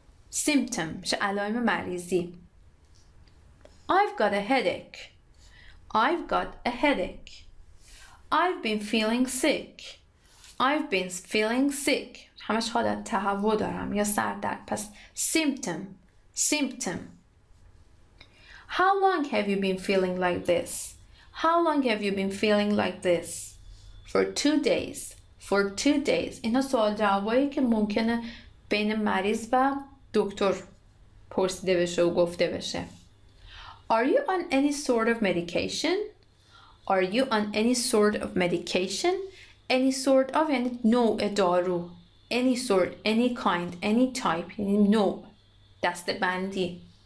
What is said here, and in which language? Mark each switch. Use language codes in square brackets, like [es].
[en] Symptom [fa] شه علائم مریضی. [en] I've got a headache. I've got a headache. I've been feeling sick. I've been feeling sick. [fa] همش حالت تهوع دارم یا سردرد. [en] پس symptom. Symptom. How long have you been feeling like this? How long have you been feeling like this? For 2 days. For 2 days. [fa] اینا سوال جوابایی که ممکنه بین مریض و دکتر پرسیده بشه و گفته بشه. [en] Are you on any sort of medication? Are you on any sort of medication? Any sort of, [fa] یعنی نوع دارو. [en] Any sort, any kind, any type, [fa] یعنی نوع. دست بندی.